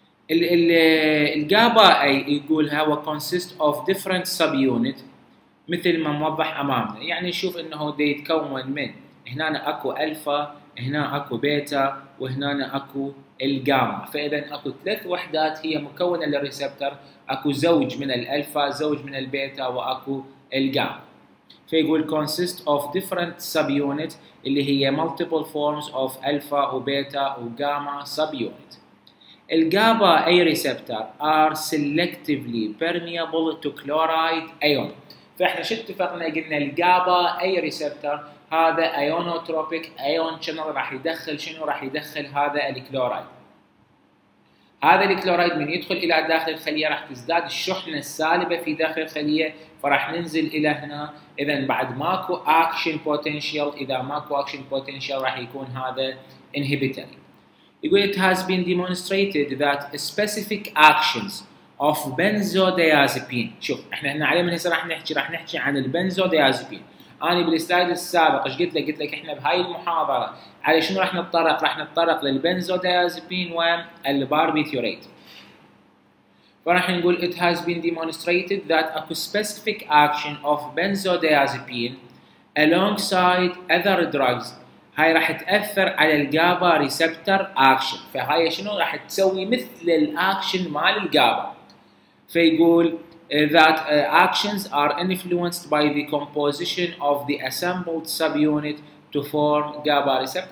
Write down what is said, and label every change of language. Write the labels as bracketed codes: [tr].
[ar] الجابا اي يقول هو [en] consist of different subunit [ar] مثل ما موضح امامنا، يعني نشوف انه دي يتكون من هنا اكو الفا، هنا اكو بيتا، وهنا اكو الجاما. فاذا اكو ثلاث وحدات هي مكونه للريسبتر، اكو زوج من الالفا، زوج من البيتا، واكو الجاما. فيقول [en] consist of different subunits [ar] اللي هي [en] multiple forms of alpha وbeta وgamma subunit. [ar] الجابا اي ريسبتر [en] are selectively permeable to chloride ion. [ar] فاحنا شو اتفقنا؟ قلنا الجابا اي ريسبتر هذا [en] ionotropic ion channel، [ar] راح يدخل شنو؟ راح يدخل هذا الكلورايد. هذا الكلورايد من يدخل الى داخل الخليه راح تزداد الشحنه السالبه في داخل الخليه، فراح ننزل الى هنا. اذا بعد ماكو اكشن بوتنشال، اذا ماكو اكشن بوتنشال راح يكون هذا انهبيتوري. يقول [en] it has been demonstrated that specific actions of benzodiazepine. [ar] شوف احنا هنا عليه من هسه راح نحكي عن البنزودايازيبين. انا بالسلايد السابق ايش قلت لك؟ قلت لك احنا بهاي المحاضره على شنو راح نتطرق؟ راح نتطرق للبنزودايازيبين والباربيتوريت. فراح نقول [en] it has been demonstrated that a specific action of benzodiazepine alongside other drugs [ar] هاي راح تاثر على الجابا ريسبتر اكشن. فهاي شنو راح تسوي؟ مثل الاكشن مال الجابا. فيقول [en] that actions are influenced by the composition of the assembled subunit to form GABA receptor.